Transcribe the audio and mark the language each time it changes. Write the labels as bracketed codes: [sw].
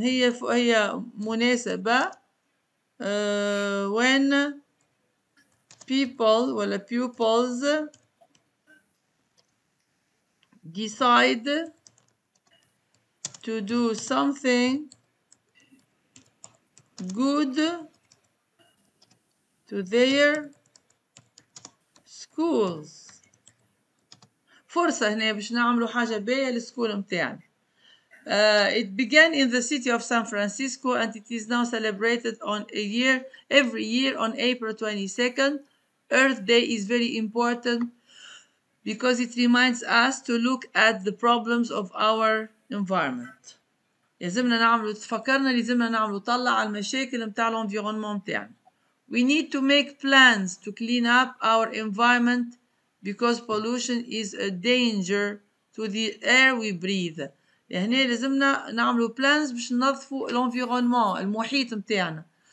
[en] Here, Munesaba, when people, well, pupils decide to do something good to their schools. [ar] فرصة هنا باش نعملوا حاجة باهية للسكول متاعنا. [en] It began in the city of San Francisco and it is now celebrated every year on April 22nd. Earth Day is very important because it reminds us to look at the problems of our environment. [ar] لازمنا نعملوا تفكرنا لازمنا نعملوا طلع على المشاكل متاع الانفيرونمون متاعنا. [en] We need to make plans to clean up our environment because pollution is a danger to the air we breathe. [ar] يعني لازمنا نعملو plans باش ننظفو الانفيرونمون المحيط متاعنا.